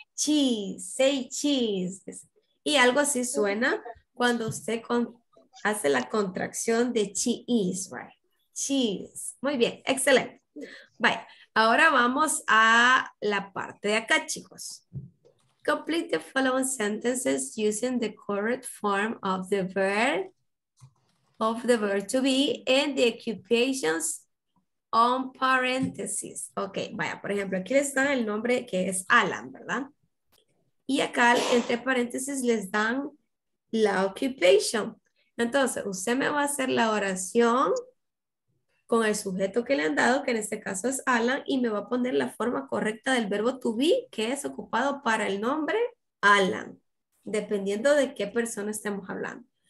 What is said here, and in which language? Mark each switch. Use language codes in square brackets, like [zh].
[en] Cheese. [es] Y algo así suena cuando usted hace la contracción de cheese, right? Cheese. Muy bien, excelente. Vaya, ahora vamos a la parte de acá, chicos. [en] Complete the following sentences using the correct form of the verb to be and the occupations on parentheses. [es] Ok, vaya, por ejemplo, aquí les dan el nombre que es Alan, ¿verdad? Y acá entre paréntesis les dan la occupation. Entonces, usted me va a hacer la oración con el sujeto que le han dado, que en este caso es Alan, y me va a poner la forma correcta del verbo to be, que es ocupado para el nombre Alan, dependiendo de qué persona estemos hablando.